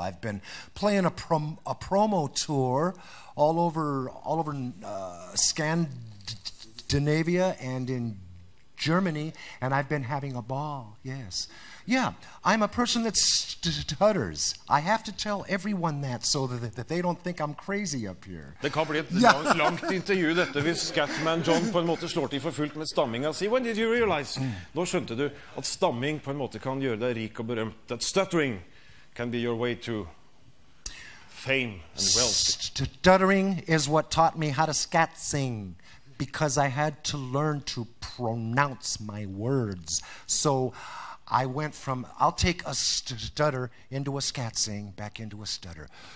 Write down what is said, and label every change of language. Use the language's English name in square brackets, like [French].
[English] I've been playing a promo tour all over Scandinavia and in Germany, and I've been having a ball, yes. Yeah, I'm a person that stutters. I have to tell everyone that so that they don't think I'm crazy up here. [Norwegian] Det kan bli et langt intervju dette hvis Scatman John på en måte slår til for fullt med stamming. [English] See, when did you realize? [Norwegian] Nå skjønte du at stamming på en måte kan gjøre deg rik og berømt. [English] That stuttering can be your way to fame and wealth. Stuttering is what taught me how to scat sing. Because I had to learn to pronounce my words. So I went from, I'll take a stutter into a scat sing, back into a stutter.